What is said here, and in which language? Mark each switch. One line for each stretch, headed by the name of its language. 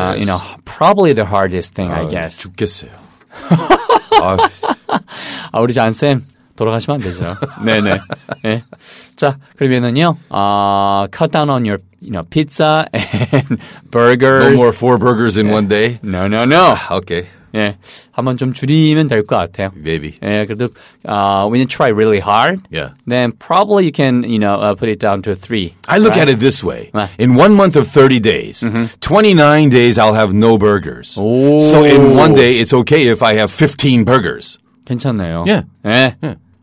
English: you know, probably the hardest thing, 아유, I guess.
Korean: 죽겠어요. 아, 우리 잔쌤 돌아가시면 안 되죠. 네, 네. 예. 자, 그러면은요.
English: Cut down on your, you know, pizza and burgers. No more four burgers in one day. No, no, no. Okay.
Korean: 예, 한번 좀 줄이면 될 것 같아요.
English: Maybe.
Korean: 예, 그래도
English: when you try really hard, yeah. then probably you can, you know, put it down to three. I look right? at it this way. In one month of 30 days, mm-hmm. 29 days I'll have no burgers. Oh. So in one day, it's okay if I have 15 burgers.
Korean: 괜찮네요.
English: Yeah.
Korean: 예.
English: Yeah.